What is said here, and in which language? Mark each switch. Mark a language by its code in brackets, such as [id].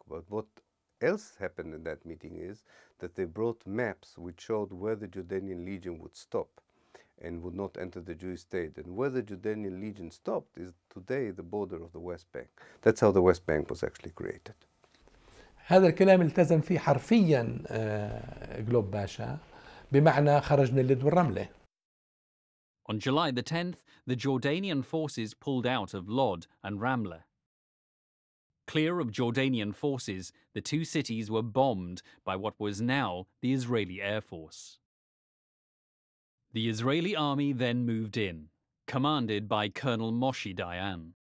[en] But what else happened in that meeting is that they brought maps which showed where the Jordanian Legion would stop and would not enter the Jewish state. And where the Jordanian Legion stopped is today the border of the West Bank. That's how the West Bank was actually created. [ar] هذا الكلام التزم فيه حرفيا جلوب باشا، بمعنى خرج من اللد والرملة. [en] On July the 10th, the Jordanian forces pulled out of Lod and Ramla. Clear of Jordanian forces, the two cities were bombed by what was now the Israeli Air Force. The Israeli army then moved in, commanded by Colonel Moshe Dayan.